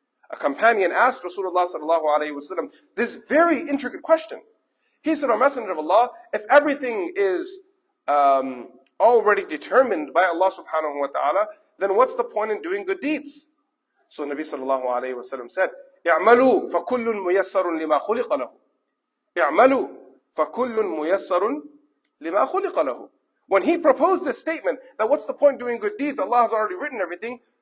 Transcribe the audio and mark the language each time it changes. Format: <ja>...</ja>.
<en>A companion asked Rasulullah sallallahu alayhi wa sallam this very intricate question. He said, O Messenger of Allah, if everything is already determined by Allah subhanahu wa ta'ala, then what's the point in doing good deeds? So Nabi sallallahu alayhi wa sallam said,</en> <ar>اعملوا فكل ميسر لما خلق له. اعملوا فكل ميسر لما خلق له.</ar> <en>When he proposed this statement that what's the point doing good deeds? Allah has already written everything.</en>